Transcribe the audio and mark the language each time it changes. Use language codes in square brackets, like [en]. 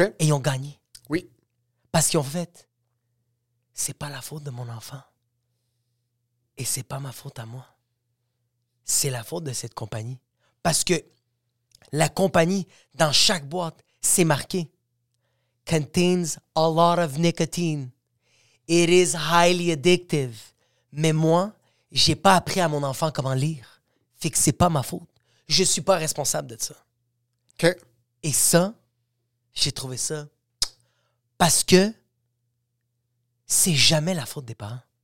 [fr] Et ils ont gagné. Oui. Parce qu'ils ont fait, c'est pas la faute de mon enfant. Et c'est pas ma faute à moi. C'est la faute de cette compagnie. Parce que la compagnie, dans chaque boîte, c'est marqué. [en] Contains a lot of nicotine. It is highly addictive. [fr] Mais moi... J'ai pas appris à mon enfant comment lire. Fait que c'est pas ma faute. Je suis pas responsable de ça. OK. Et ça, j'ai trouvé ça. Parce que c'est jamais la faute des parents.